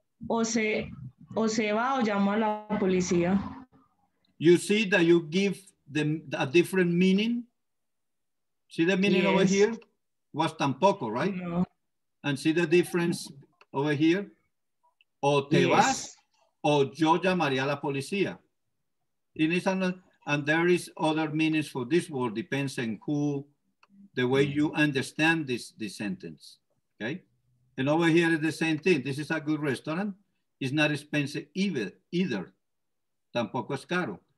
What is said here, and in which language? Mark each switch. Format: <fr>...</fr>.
<es>O se va o llamo a la policía.</es> <en>You see that you give them a different meaning? See the meaning, yes, over here? Was tampoco, right? No. And see the difference over here?</en> <es>O te,</es> <en>yes,</en> <es>vas, o yo llamaría a la policía.</es> <en>And there is other meanings for this word, depends on who, the way you understand this sentence, okay? And over here is the same thing. This is a good restaurant. It's not expensive either.</en> <es>Tampoco es caro.</es>